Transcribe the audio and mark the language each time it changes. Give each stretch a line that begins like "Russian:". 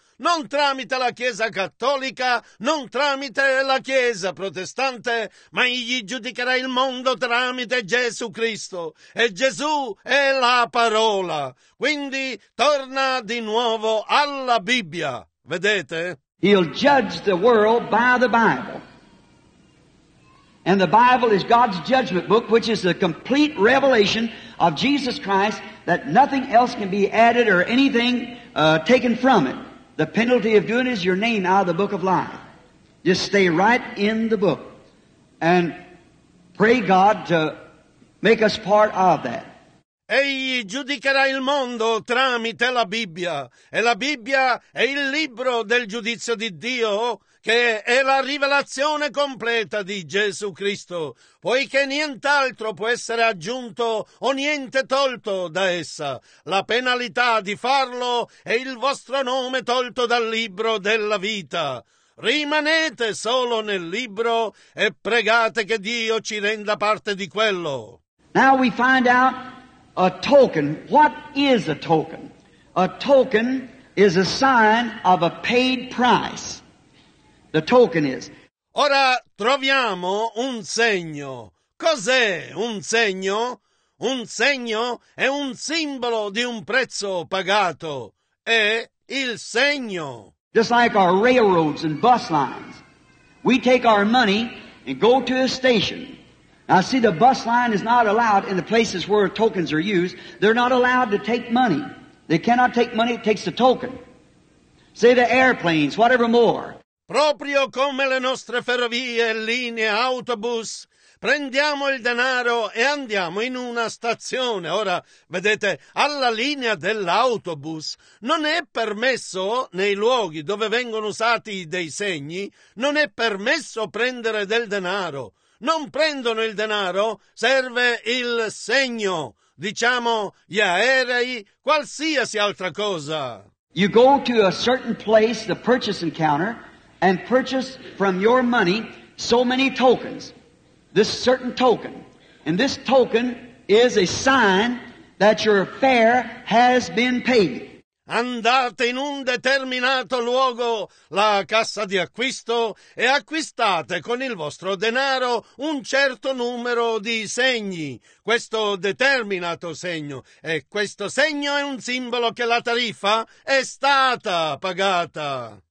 Italian: Non tramite la Chiesa cattolica, non tramite la Chiesa protestante, ma egli giudicherà il mondo tramite Gesù Cristo. E Gesù è la parola. Quindi torna di nuovo alla Bibbia. Vedete?
English: He'll judge the world by the Bible. And the Bible is God's judgment book, which is the complete revelation of Jesus Christ, that nothing else can be added or anything taken from it. The penalty of doing is your name out of the book of life. Just stay right in the book and pray God to make us part of that.
Italian: Egli giudicherà il mondo tramite la Bibbia, e la Bibbia è il libro del giudizio di Dio, che è la rivelazione completa di Gesù Cristo, poiché nient'altro può essere aggiunto o niente tolto da essa. La penalità di farlo è il vostro nome tolto dal libro della vita. Rimanete solo nel libro e pregate che Dio ci renda parte di quello.
English: Now we find out a token. What is a token? A token is a sign of a paid price. The token is.
Italian: Ora troviamo un segno. Cos'è un segno? Un segno è un simbolo di un prezzo pagato. È il segno.
English: Just like our railroads and bus lines. We take our money and go to a station. Now see, the bus line is not allowed in the places where tokens are used. They're not allowed to take money. They cannot take money, it takes the token. Say the airplanes, whatever more.
Italian: Proprio come le nostre ferrovie, linee, autobus, prendiamo il denaro e andiamo in una stazione. Ora, vedete, alla linea dell'autobus non è permesso, nei luoghi dove vengono usati dei segni, non è permesso prendere del denaro. Non prendono il denaro, serve il segno, diciamo gli aerei, qualsiasi altra cosa.
English: You go to a certain place, the purchasing counter, and purchase from your money so many tokens, this certain token. And this token is a sign that your fare has been paid.
Italian: Andate in un determinato luogo, la cassa di acquisto, e acquistate con il vostro denaro un certo numero di segni, questo determinato segno. E questo segno è un simbolo che la tariffa è stata pagata.